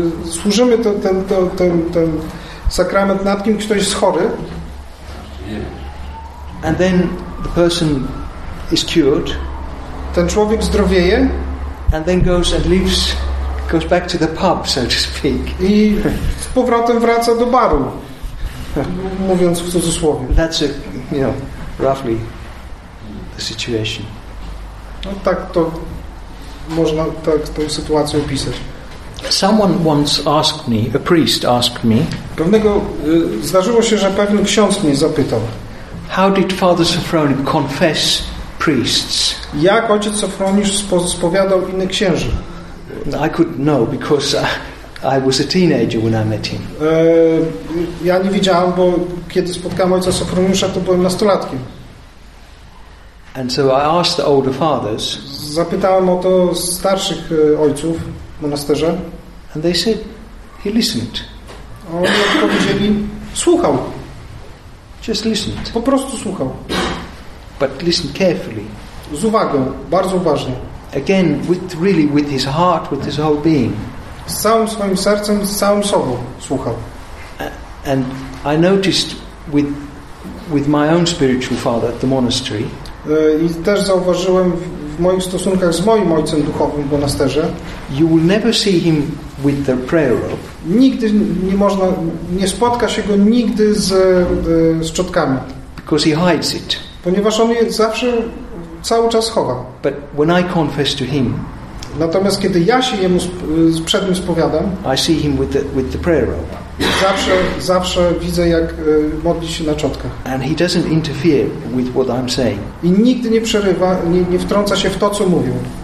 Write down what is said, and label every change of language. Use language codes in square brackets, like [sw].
[pl] Służymy ten sakrament nad kim ktoś jest chory. [en] And then the person is cured. [pl] Ten człowiek zdrowieje. [en] And then goes and leaves. Goes back to the pub, so to speak. [pl] I z powrotem wraca do baru, mówiąc w cudzysłowie. [en] That's a, you know, roughly the situation. [pl] No tak to można tak tą sytuację opisać. [en] Someone once asked me, a priest asked me. [pl] Pewnego zdarzyło się, że pewien ksiądz mnie zapytał. [en] How did Father Sofroniusz confess priests? [pl] Jak ojciec Sofroniusz spowiadał innych księży? [en] I could know because I was a teenager when I met him. [pl] Ja nie widziałem, bo kiedy spotkałem ojca Sofroniusza, to byłem nastolatkiem. [en] And so I asked the older fathers. [pl] Zapytałem o to starszych ojców w monasterze. [en] And they said he listened. [pl] Oni odpowiedzieli, słuchał. [en] Just listened. [pl] Po prostu słuchał. [en] But listen carefully. [pl] Z uwagą, bardzo uważnie. [en] Again, with really with his heart, with his whole being. [pl] Z całym swoim sercem, z całym sobą słuchał. [en] And I noticed with my own spiritual father at the monastery. [pl] I też zauważyłem w moich stosunkach z moim ojcem duchowym w monasterze. [en] You will never see him with the prayer robe. [pl] Nigdy nie można, nie spotka się go nigdy z szczotkami. [en] Because he hides it. [pl] Ponieważ on je zawsze cały czas chowa. [en] But when I confess to him, [pl] natomiast kiedy ja się jemu przed nim spowiadam, [en] I see him with the prayer robe. [pl] Zawsze widzę, jak modli się na czotkach. [en] And he doesn't interfere with what I'm saying. [pl] I nigdy nie przerywa, nie wtrąca się w to, co mówił.